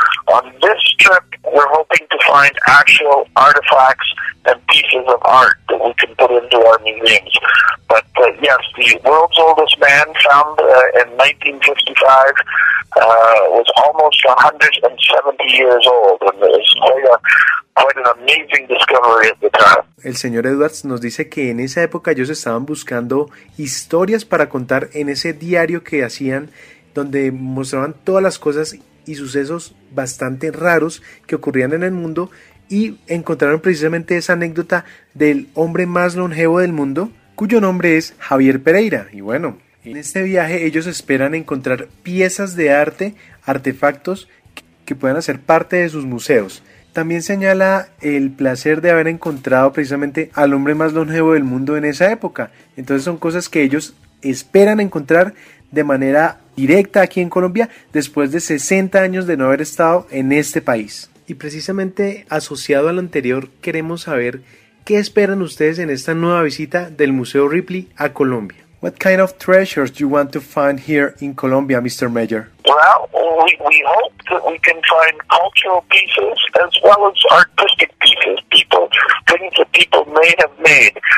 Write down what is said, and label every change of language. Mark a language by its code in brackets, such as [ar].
[en] On this trip, we're hoping to find actual artifacts and pieces of art that we can put into our museums. But yes, the world's oldest man found in 1955 was almost 170 years old, and it was quite an amazing discovery at the time. [es] El señor Edwards nos dice que en esa época ellos estaban buscando historias para contar en ese diario que hacían, donde mostraban todas las cosas y sucesos bastante raros que ocurrían en el mundo, y encontraron precisamente esa anécdota del hombre más longevo del mundo, cuyo nombre es Javier Pereira. Y bueno, en este viaje ellos esperan encontrar piezas de arte, artefactos que puedan hacer parte de sus museos. También señala el placer de haber encontrado precisamente al hombre más longevo del mundo en esa época. Entonces son cosas que ellos esperan encontrar de manera directa aquí en Colombia después de 60 años de no haber estado en este país. Y precisamente asociado a lo anterior, queremos saber qué esperan ustedes en esta nueva visita del Museo Ripley a Colombia. [en] What kind of treasures do you want to find here in Colombia, Mr. Mayor? Well, we hope that we can find cultural pieces as well as artistic pieces, things that people may have made.